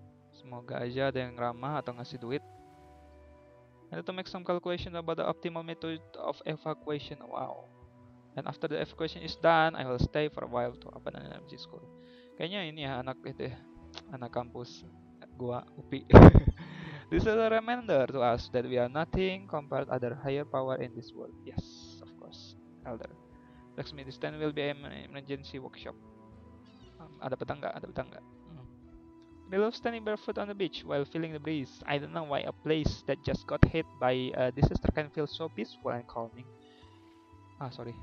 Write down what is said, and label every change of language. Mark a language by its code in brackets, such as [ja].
[id] Semoga aja ada yang ramah atau ngasih duit. [en] I need to make some calculation about the optimal method of evacuation. Wow. And after the evacuation is done, I will stay for a while to open an energy school. [id] Kayaknya ini ya anak itu ya. Anak kampus gua UPI. [en] This is a reminder to us that we are nothing compared other higher power in this world. Yes, of course, Elder. Lakshmi, this time will be an emergency workshop. [id] Ada petang gak? Ada petang gak? [en] They love standing barefoot on the beach while feeling the breeze. I don't know why a place that just got hit by a disaster can feel so peaceful and calming. Ah, sorry.